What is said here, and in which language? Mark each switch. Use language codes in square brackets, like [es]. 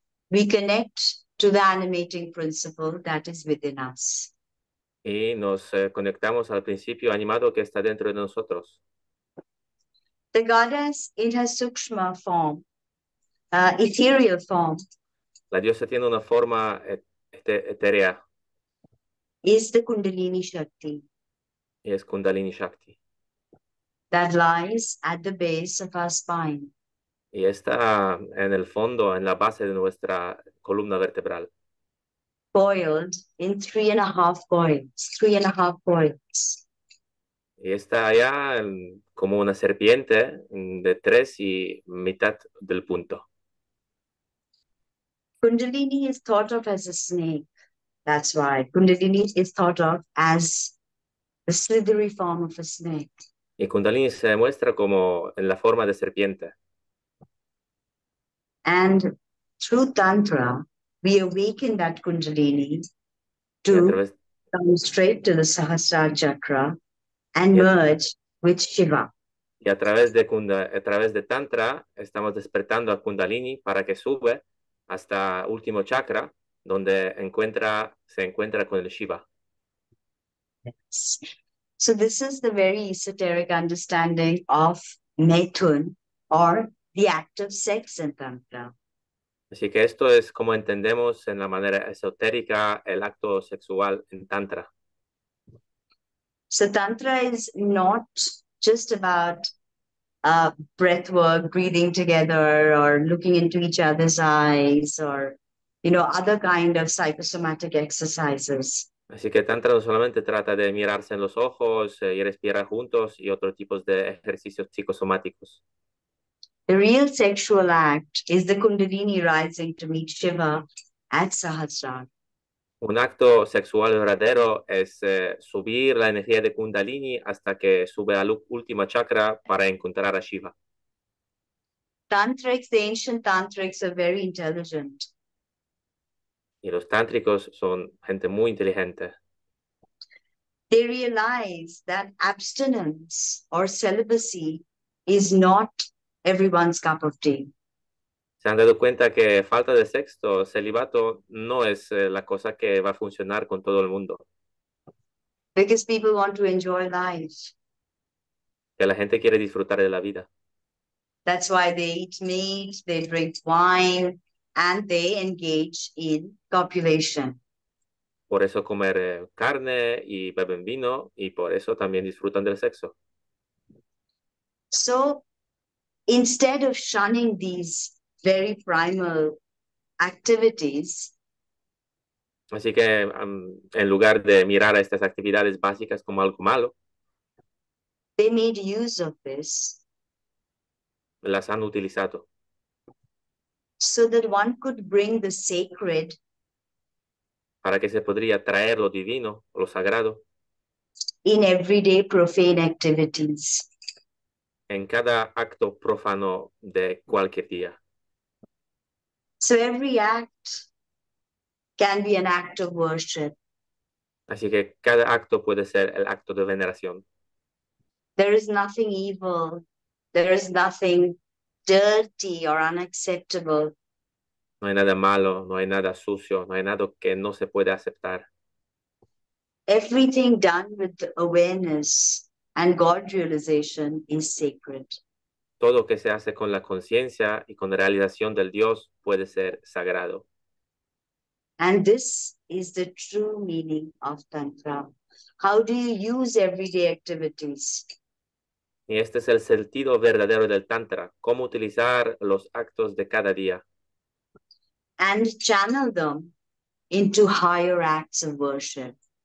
[en] We connect to the animating principle that is within us. [es] y nos conectamos al principio animado que está dentro de nosotros. [en] The goddess in her sukshma form, ethereal form, [es] La diosa tiene una forma etérea. [en] is the Kundalini Shakti [es] Y es Kundalini Shakti. [en] that lies at the base of our spine. [es] Y está en el fondo, en la base de nuestra columna vertebral. [en] boiled in 3.5 points. 3.5 points. [es] Y está allá como una serpiente de 3 y mitad del punto. [en] Kundalini is thought of as a snake. That's why Kundalini is thought of as the slithery form of a snake. [es] Y Kundalini se muestra como en la forma de serpiente. [en] And through Tantra, we awaken that Kundalini to come straight to the Sahasrara Chakra and merge with Shiva. [es] Y a través de Tantra, estamos despertando a Kundalini para que sube hasta último chakra, donde se encuentra con el Shiva. [en] Yes. So this is the very esoteric understanding of Maitun, or the act of sex in Tantra. [es] Así que esto es como entendemos en la manera esotérica el acto sexual en Tantra. [en] So Tantra is not just about breath work, breathing together, or looking into each other's eyes, or, you know, other kind of psychosomatic exercises. [es] Así que Tantra no solamente trata de mirarse en los ojos y respirar juntos y otros tipos de ejercicios psicosomáticos. [en] The real sexual act is the Kundalini rising to meet Shiva at Sahasrara. [es] Un acto sexual verdadero es subir la energía de Kundalini hasta que sube al último chakra para encontrar a Shiva. [en] Tantrics, the ancient tantrics, are very intelligent. [es] Y los tántricos son gente muy inteligente. [en] They realize that abstinence or celibacy is not everyone's cup of tea. [es] Se han dado cuenta que falta de sexo, celibato, no es la cosa que va a funcionar con todo el mundo. [en] Because people want to enjoy life. [es] Que la gente quiere disfrutar de la vida. [en] That's why they eat meat, they drink wine, and they engage in copulation. [es] Por eso comer carne y beben vino, y por eso también disfrutan del sexo. [en] So, instead of shunning these very primal activities. [es] Así que en lugar de mirar a estas actividades básicas como algo malo, [en] they made use of this. [es] Las han utilizado. [en] So that one could bring the sacred. [es] Para que se podría traer lo divino, lo sagrado. [en] In everyday profane activities. [es] En cada acto profano de cualquier día. [en] So every act can be an act of worship. [es] Así que cada acto puede ser el acto de veneración. [en] There is nothing evil. There is nothing dirty or unacceptable. [es] No hay nada malo, no hay nada sucio, no hay nada que no se puede aceptar. [en] Everything done with awareness and God realization is sacred. [es] Todo lo que se hace con la conciencia y con la realización del Dios puede ser sagrado. [en] And this is the true meaning of Tantra. How do you use everyday activities? [es] Y este es el sentido verdadero del Tantra. ¿Cómo utilizar los actos de cada día? [en] And channel them into higher acts of worship.